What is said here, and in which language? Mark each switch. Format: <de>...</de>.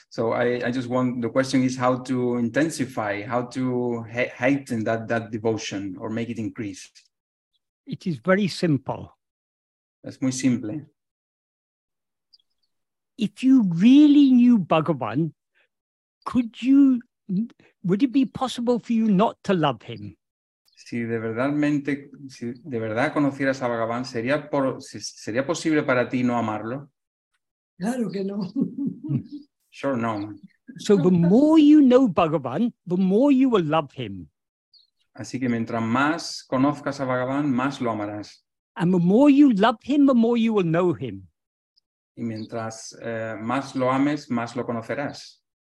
<en>So I just want, the question is how to intensify, how to heighten that devotion or make it increase. It is very simple.</en> <es>Es muy simple.</es> <en>If you really knew Bhagavan, could you? Would it be possible for you not to love him?</en> <es>Si de verdad conocieras a Bhagavan, sería posible para ti no amarlo? Claro que no.</es> <en>Sure, no. So the more you know Bhagavan, the more you will love him.</en> <es>Así que mientras más conozcas a Bhagavan, más lo amarás.</es> <en>And the more you love him, the more you will know him.</en> <es>Y mientras más lo ames, más lo conocerás.</es>